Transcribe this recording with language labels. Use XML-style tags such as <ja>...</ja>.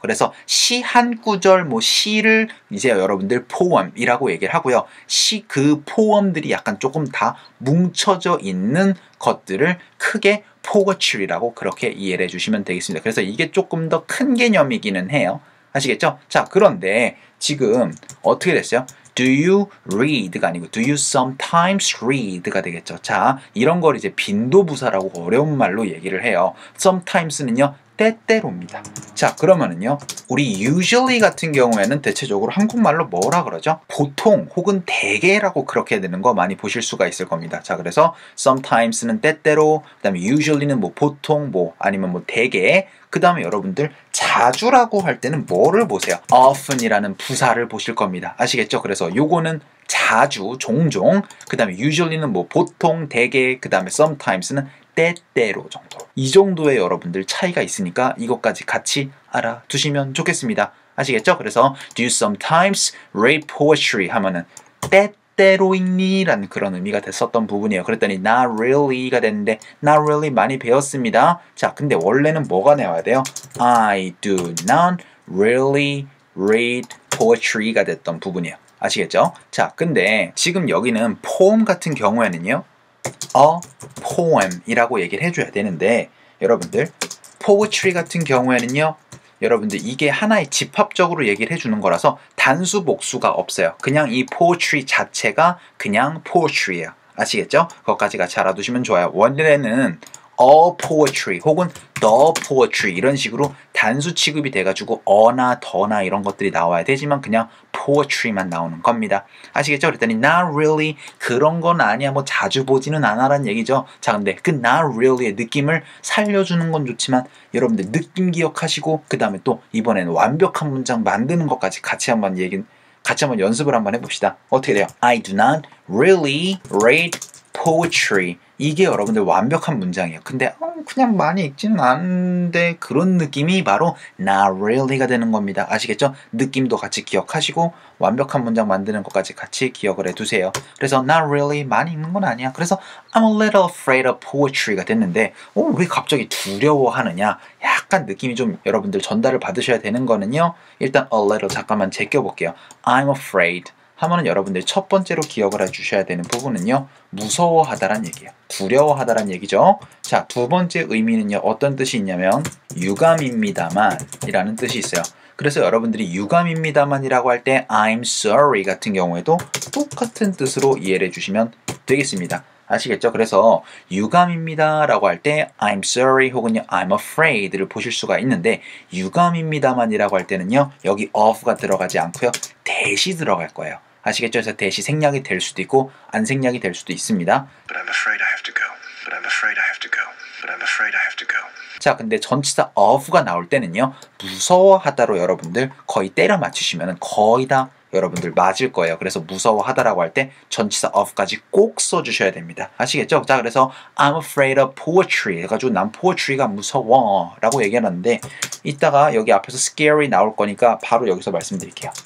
<ko>그래서 시 한 구절, 뭐 시를 이제 여러분들 poem이라고 얘기를 하고요. 시 그 poem들이 약간 조금 다 뭉쳐져 있는 것들을 크게 poetry라고 그렇게 이해를 해주시면 되겠습니다. 그래서 이게 조금 더 큰 개념이기는 해요. 아시겠죠? 자, 그런데 지금 어떻게 됐어요?</ko> <en>Do you read</en> <ko>가 아니고</ko> <en>Do you sometimes read</en> <ko>가 되겠죠? 자, 이런 걸 이제 빈도부사라고 어려운 말로 얘기를 해요. Sometimes는요, 때때로입니다. 자, 그러면은요, 우리 usually 같은 경우에는 대체적으로 한국말로 뭐라 그러죠? 보통 혹은 대개라고 그렇게 되는 거 많이 보실 수가 있을 겁니다. 자, 그래서 sometimes는 때때로, 그 다음에 usually는 뭐 보통, 뭐 아니면 뭐 대개, 그 다음에 여러분들 자주라고 할 때는 뭐를 보세요? often이라는 부사를 보실 겁니다. 아시겠죠? 그래서 요거는 자주, 종종, 그 다음에 usually는 뭐 보통, 대개, 그 다음에 sometimes는 때때로 정도. 이 정도의 여러분들 차이가 있으니까 이것까지 같이 알아두시면 좋겠습니다. 아시겠죠?</ko> <en>그래서 Do you sometimes read poetry?</en> <ko>하면은 때때로 읽니? 라는 그런 의미가 됐었던 부분이에요. 그랬더니</ko> <en>Not really</en> <ko>가 됐는데 Not really 많이 배웠습니다. 자, 근데 원래는 뭐가 나와야 돼요?</ko> <en>I do not really read poetry</en> <ko>가 됐던 부분이에요. 아시겠죠? 자, 근데 지금 여기는 poem 같은 경우에는요, a poem이라고 얘기를 해줘야 되는데 여러분들 poetry 같은 경우에는요, 여러분들 이게 하나의 집합적으로 얘기를 해주는 거라서 단수 복수가 없어요. 그냥 이 poetry 자체가 그냥 poetry예요. 아시겠죠? 그것까지 같이 알아두시면 좋아요. 원래는 a poetry 혹은 the poetry 이런 식으로 단수 취급이 돼가지고 어나 더나 이런 것들이 나와야 되지만 그냥 poetry만 나오는 겁니다. 아시겠죠? 그랬더니 not really 그런 건 아니야. 뭐 자주 보지는 않아라는 얘기죠. 자, 근데 그 not really의 느낌을 살려주는 건 좋지만 여러분들 느낌 기억하시고 그 다음에 또 이번에는 완벽한 문장 만드는 것까지 같이 한번 연습을 한번 해봅시다. 어떻게 돼요?</ko> <en>I do not really read poetry.</en> <ko>이게 여러분들 완벽한 문장이에요. 근데 그냥 많이 읽지는 않은데 그런 느낌이 바로 not really가 되는 겁니다. 아시겠죠? 느낌도 같이 기억하시고 완벽한 문장 만드는 것까지 같이 기억을 해두세요. 그래서 not really 많이 읽는 건 아니야. 그래서</ko> <en>I'm a little afraid of poetry</en> <ko>가 됐는데 왜 갑자기 두려워하느냐? 약간 느낌이 좀 여러분들 전달을 받으셔야 되는 거는요. 일단 a little 잠깐만 제껴볼게요. I'm afraid 하면은 여러분들 첫 번째로 기억을 해주셔야 되는 부분은요. 무서워하다란 얘기예요. 두려워하다란 얘기죠. 자, 두 번째 의미는요. 어떤 뜻이 있냐면 유감입니다만 이라는 뜻이 있어요. 그래서 여러분들이 유감입니다만 이라고 할 때</ko> <en>I'm sorry</en> <ko>같은 경우에도 똑같은 뜻으로 이해를 해주시면 되겠습니다. 아시겠죠? 그래서 유감입니다 라고 할 때</ko> <en>I'm sorry</en> <ko>혹은</ko> <en>I'm afraid</en> <ko>를 보실 수가 있는데 유감입니다만 이라고 할 때는요. 여기 of가 들어가지 않고요. 대시 들어갈 거예요. 아시겠죠? 그래서 대시 생략이 될 수도 있고 안 생략이 될 수도 있습니다.</ko> <en>But I'm afraid I have to go. But I'm afraid I have to go. But I'm afraid I have to go.</en> <ko>자, 근데 전치사 of가 나올 때는요. 무서워하다로 여러분들 거의 때려 맞추시면 거의 다 여러분들 맞을 거예요. 그래서 무서워하다라고 할 때 전치사 of까지 꼭 써주셔야 됩니다. 아시겠죠? 자, 그래서</ko> <en>I'm afraid of poetry</en> <ko>해가지고 난 poetry가 무서워 라고 얘기하는데 이따가 여기 앞에서 scary 나올 거니까 바로 여기서 말씀드릴게요.</ko>